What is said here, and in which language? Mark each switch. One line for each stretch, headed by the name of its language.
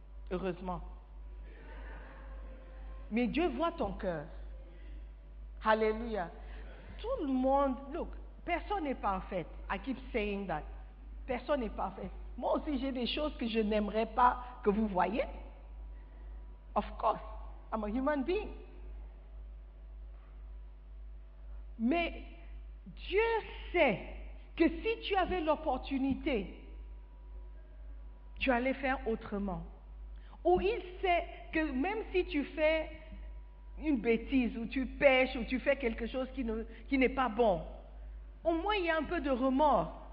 French: Heureusement. Mais Dieu voit ton cœur. Alléluia. Tout le monde,
English: look,
French: personne n'est parfait.
English: I keep saying that.
French: Personne n'est parfait. Moi aussi, j'ai des choses que je n'aimerais pas que vous voyez.
English: Of course, I'm a human being.
French: Mais Dieu sait que si tu avais l'opportunité, tu allais faire autrement. Ou il sait que même si tu fais une bêtise, ou tu pêches, ou tu fais quelque chose qui n'est pas bon, au moins il y a un peu de remords.